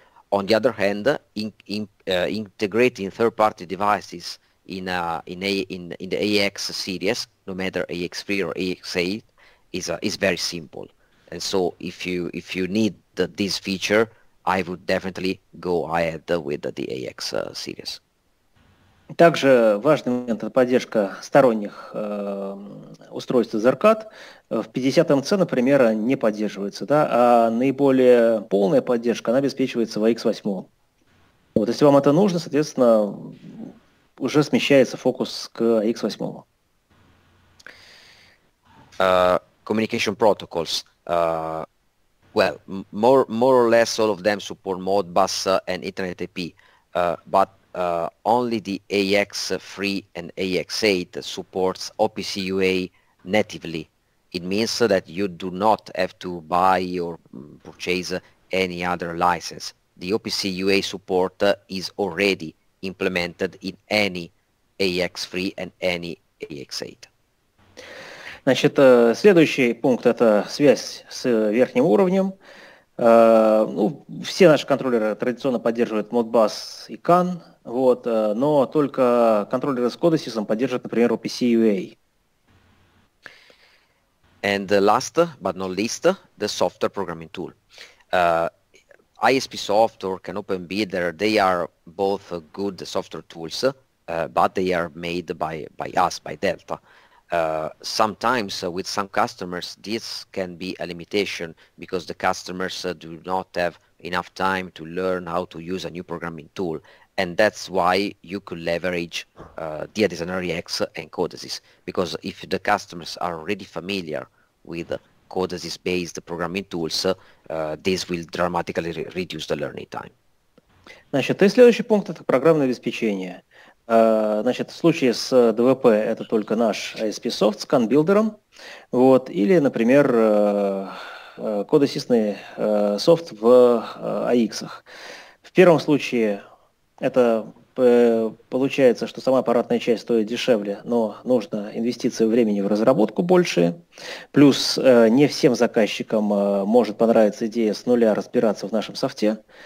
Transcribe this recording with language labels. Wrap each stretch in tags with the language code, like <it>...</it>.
<en>On the other hand, integrating third-party devices in the AX series, no matter AX3 or AX8, is very simple. And so if you need this feature, I would definitely go ahead with the AX series.</en> <ru>Также важный момент – это поддержка сторонних устройств EtherCAT. В 50MC, например, не поддерживается, да? А наиболее полная поддержка она обеспечивается в AX8. Вот, если вам это нужно, соответственно, уже смещается фокус к AX8.</ru> <en>Communication protocols. Well, more or less all of them support Modbus and Ethernet IP, but only the AX3 and AX8 supports OPC UA natively. It means that you do not have to buy or purchase any other license. The OPC UA support is already implemented in any AX3 and any AX8.</en> <ru>Значит, следующий пункт – это связь с верхним уровнем. Ну, все наши контроллеры традиционно поддерживают Modbus и CAN, вот, но только контроллеры с CODESYS поддерживают, например, OPC UA.</ru> <en>And last but not least, the software programming tool. ISP software can open builder, they are both good software tools, but they are made by us, by Delta. Sometimes with some customers this can be a limitation because the customers do not have enough time to learn how to use a new programming tool, and that's why you could leverage DIADesigner-AX and CODESYS, because if the customers are already familiar with CODESYS based programming tools, this will dramatically reduce the learning time.</en> <ru>Значит, и следующий пункт – это программное обеспечение. Значит, в случае с ДВП это только наш ISP-софт с CAN-билдером, вот, или, например, CODESYS-ный софт в AX-ах. В первом случае это получается, что сама аппаратная часть стоит дешевле, но нужно инвестиции времени в разработку больше, плюс не всем заказчикам может понравиться идея с нуля разбираться в нашем софте.</ru>